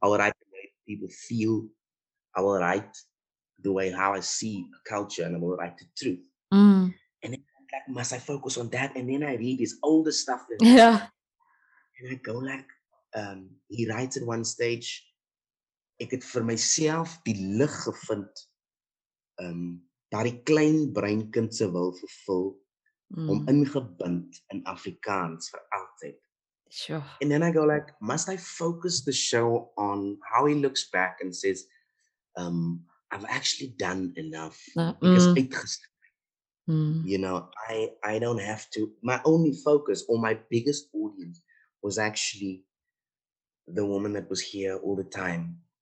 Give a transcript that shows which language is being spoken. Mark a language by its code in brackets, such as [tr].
[en] I will write the way people feel. I will write the way how I see a culture, and I will write the truth. Mm. And then like, must I focus on that? And then I read his older stuff. And I go like, he writes at one stage. [af] Ek het vir myself die lig gevind daardie klein breinkind se wil vervul om ingebind in Afrikaans vir altyd. [en] Sure. And then I go like, must I focus the show on how he looks back and says, I've actually done enough because you know, I don't have to. My only focus or my biggest audience was actually the woman that was here all the time.